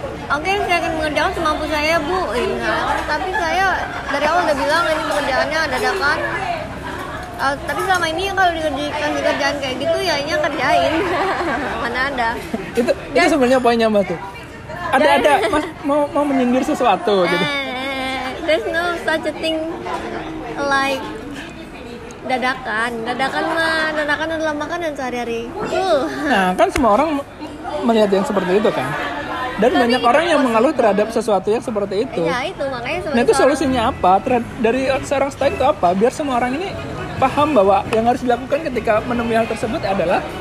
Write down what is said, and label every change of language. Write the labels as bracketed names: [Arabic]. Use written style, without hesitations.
[Indonesian] Oke, saya akan mengerjakan semampu saya, Bu. Tapi saya dari awal udah bilang ini pekerjaannya dadakan. Tapi selama ini kalau dikasih kerjaan kayak gitu ya ini kerjain. Mana ada. itu sebenarnya poinnya Mbak tuh. Ada Mas mau menyindir sesuatu gitu. [English] There's no such a thing like dadakan. [Indonesian] Dadakan adalah makanan sehari-hari. Nah, kan semua orang melihat yang seperti itu kan. Dan tapi banyak orang yang mengeluh terhadap sesuatu yang seperti itu. Ya itu makanya. Nah, itu solusinya apa? Dari seorang stoik itu apa? Biar semua orang ini paham bahwa yang harus dilakukan ketika menemui hal tersebut adalah